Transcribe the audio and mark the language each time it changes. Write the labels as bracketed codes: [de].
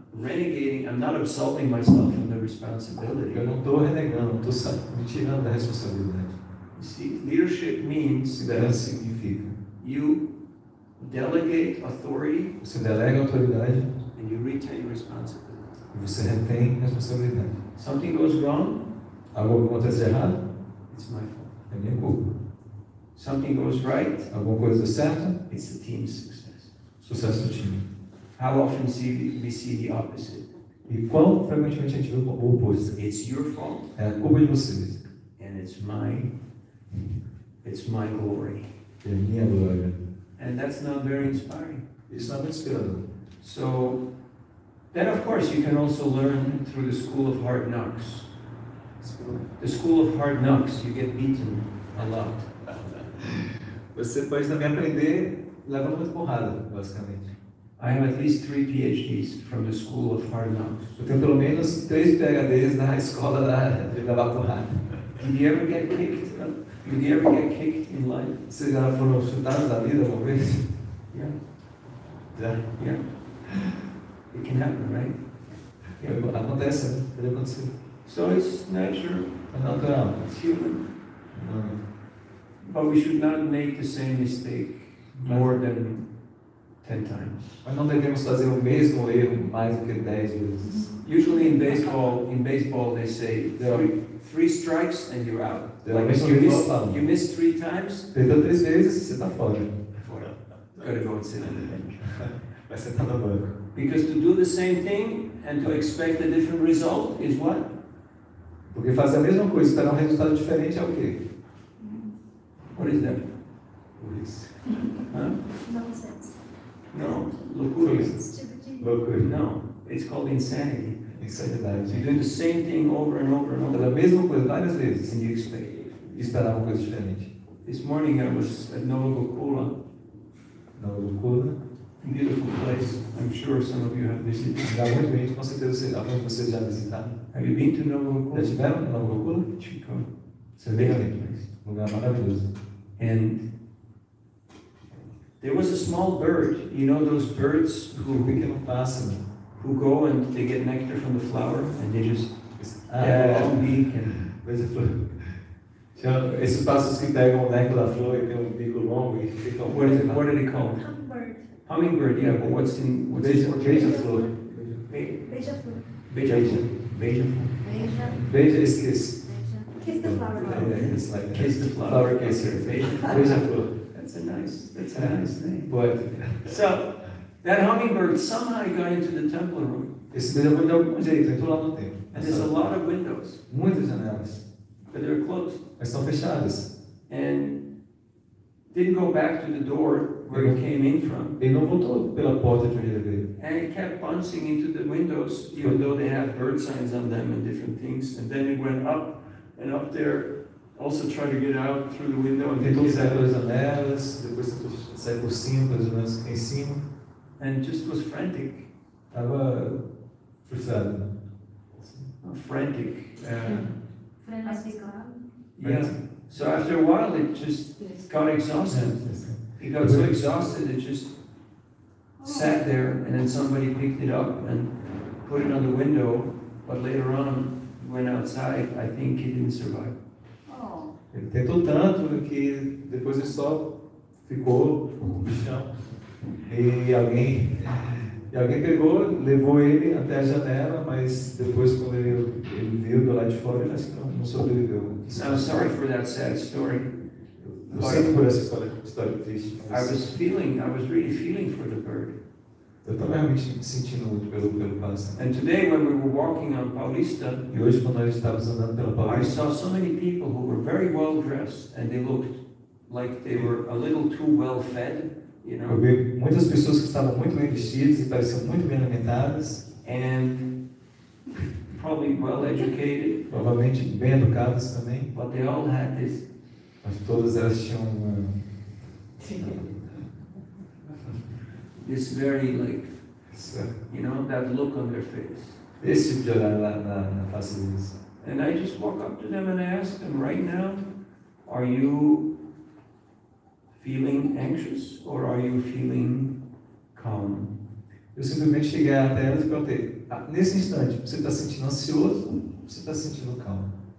[en] Renegating, I'm not absolving myself from the responsibility. [pt] Eu não estou renegando, não estou me tirando da responsabilidade. [en] You see, leadership means [pt] that liderança significa. [en] You delegate authority. [pt] Você delega autoridade. [en] And you retain responsibility. [pt] E você retém responsabilidade. [en] Something goes wrong. [pt] Algo acontece errado. [en] It's my fault. [pt] É minha culpa. [en] Something goes right. [pt] Alguma coisa certa. [en] It's the team's success. [pt] Sucesso do time. [en] How often see we see the opposite? [pt] E qual frequentemente a gente vê o oposto? [en] It's your fault. [pt] É a culpa de vocês. [en] And it's my glory. [pt] É a minha glória. [en] And that's not very inspiring. [pt] Isso não é muito inspirador. [en] So, then of course you can also learn through the school of hard knocks. The school of hard knocks, you get beaten a lot. [pt] Você pode também aprender levando muita porrada, basicamente. [en] I have at least 3 PhDs from the school of hard knocks. [pt] Eu tenho pelo menos 3 PhDs na escola de levar porrada. [en] Did you ever get kicked? Did you ever get kicked in life? [pt] Vocês já foram chutados da vida alguma vez? [en] Yeah. It can happen, right? [pt] Yeah. Acontece, né? Pode acontecer. [en] So it's natural. [pt] Natural. [en] It's human. But we should not make the same mistake more than 10 times. [pt] Mas não devemos fazer o mesmo erro mais do que 10 vezes. [en] Usually in baseball they say three strikes and you're out. Like you miss 3 times. [pt] Perdeu 3 vezes, você tá fora. [en] Gotta go and sit on the bench. [pt] Vai sentar no banco. [en] Because to do the same thing and to expect a different result is what? [pt] Porque fazer a mesma coisa e esperar um resultado diferente é o quê? [en] What is that? Police. Nonsense. [pt] No, loucura. [en] Stupidity. No, it's called insanity. [pt] Insanidade. [en] You do the same thing over and over and over. [pt] Fazer a mesma coisa várias vezes. [en] And you expect. [pt] E esperar uma coisa diferente. [en] This morning I was at Novocola. [pt] Novocola. [en] Beautiful place. I'm sure some of you have visited. [pt] Já muito bem, com certeza alguns de vocês já visitaram. [en] Have you been to Novocola? [pt] Já tiveram Novocola? Chico. [en] It's a beautiful place. [pt] Um lugar maravilhoso. [en] And there was a small bird. You know those birds who become passing, who go and they get nectar from the flower, and they just have a long beak and. Where's the flower? [pt] Então, esses pássaros que pegam o néctar da flor e tem um bico longo e ficam. [en] What is it? What are they called? Hummingbird, yeah, but what's in [pt] beija-flor? Beija-flor. Beija-flor. Beija, esse kiss. [en] Kiss the flower. Yeah, it's like kiss the flower. Flower kisser. Beija-flor. That's a nice name. But so, that hummingbird somehow got into the temple room. [pt] Esse beija-flor, um jeito, entrou lá no templo. [en] And there's a lot of windows. [pt] Muitas janelas. [en] But they're closed. [pt] Mas estão fechadas. [en] And didn't go back to the door. Where it came in from. [pt] Ele não voltou pela porta de onde ele veio. [en] And it kept bouncing into the windows, even though they have bird signs on them and different things. And then it went up and up there, also trying to get out through the window. And [pt] tentou sair pelas janelas, depois tentou sair por cima, pelas janelas em cima. [en] And just was frantic. [pt] Tava frustrado. [en] Frantic. [pt] Frenético. [en] Yeah. So after a while, it just got exhausted. He got so exhausted, it just sat there, and then somebody picked it up and put it on the window, but later on, went outside, I think he didn't survive. Oh. [pt] Ele tentou tanto que depois ele só ficou no chão, e alguém pegou, levou ele até a janela, mas depois quando ele viu do lado de fora, ele disse que não sobreviveu. [en] So I'm sorry for that sad story. [pt] Eu sinto por essa história triste. [en] I was really feeling for the bird. [pt] Eu estava realmente sentindo muito pelo pássaro. [en] And today when we were walking on Paulista, [pt] e hoje quando nós estávamos andando pela Paulista, [en] I saw so many people who were very well dressed and they looked like they were a little too well fed, you know. [pt] Eu vi muitas pessoas que estavam muito bem vestidas e pareciam muito bem alimentadas. [en] And probably well educated. [pt] Provavelmente bem educadas também. [en] But they all had this. [pt] Mas todas elas tinham [en] this very like, so, you know, that look on their face. [pt] Esse tipo de olhar na face deles. [en] And I just walk up to them and I ask them, right now, are you feeling anxious or are you feeling calm? [pt] Eu simplesmente cheguei até elas e perguntei, nesse instante, você está sentindo ansioso ou você está sentindo calmo?